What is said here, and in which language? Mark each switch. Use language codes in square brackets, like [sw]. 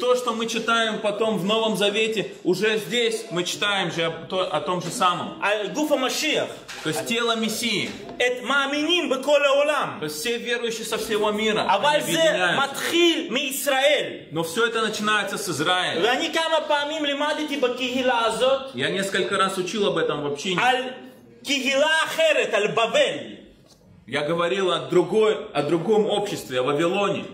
[ru] то, что мы читаем потом в Новом Завете, уже здесь мы читаем же о том же самом. То есть тело Мессии. [he] את מאמינים בכל העולם. [ru] Все верующие со всего мира. [he] אבל זה מתחיל מישראל. [ru] Но все это начинается с Израиля. [he] ואני כמה פעמים למדתי בקהילה הזאת. [ru] Я несколько раз учил об этом в общине. [he] על קהילה אחרת, על בבל. [ru] Я говорил о другом обществе, о Вавилоне.